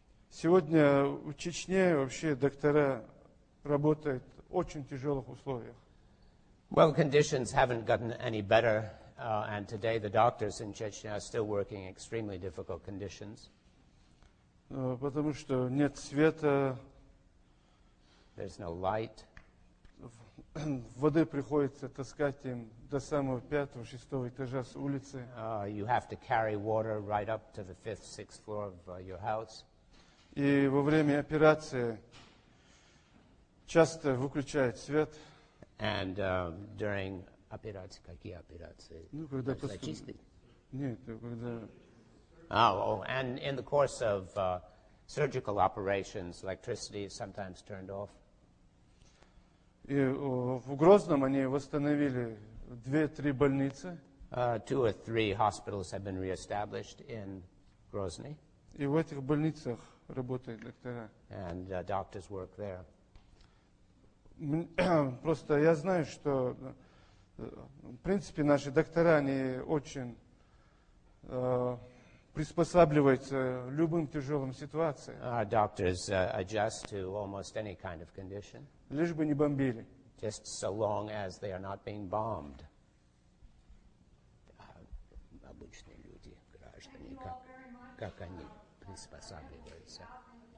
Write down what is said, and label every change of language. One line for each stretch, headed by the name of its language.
Russian: Сегодня в Чечне вообще доктора работают в очень тяжелых условиях.
English: Well, conditions haven't gotten any better, and today the doctors in Chechnya are still working in extremely difficult conditions.
Russian: Потому что нет света.
English: There's no light.
Russian: воды приходится таскать им до самого пятого, шестого этажа с улицы.
English: You have to carry water right up to the fifth, sixth floor of your house.
Russian: И во время операции часто выключают свет.
English: And during
Russian: операции, какие операции? Ну, когда зачистки? Нет, когда...
English: And in the course of surgical operations, electricity is sometimes turned off.
Russian: И в Грозном они восстановили 2-3 больницы.
English: Two or three hospitals have been reestablished in Grozny.
Russian: И в этих больницах работают доктора.
English: And doctors work there.
Russian: Просто я знаю, что в принципе наши доктора, они очень приспосабливаются любым тяжелым ситуациям.
English: Our doctors adjust to almost any kind of condition.
Russian: Лишь бы не бомбили.
English: Just so long as they are not being bombed.
Russian: Обычные люди, граждане, как они приспосабливаются.